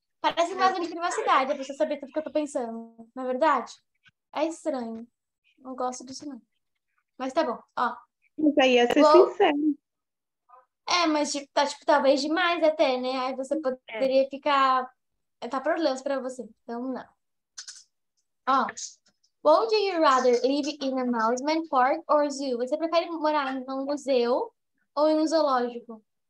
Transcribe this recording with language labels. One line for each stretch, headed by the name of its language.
Portuguese: Parece invasão de privacidade a pessoa saber tudo que eu tô pensando. Não é verdade? É estranho. Não gosto disso, não. Mas tá bom, ó. Mas aí ia ser sincero. É, mas tipo, tá, tipo, talvez demais até, né? Aí você poderia ficar... Tá problemas pra você. Então, não.
English: Oh, would you rather live in an amusement park or zoo?
Portuguese: Você prefere morar num museu ou em um zoológico?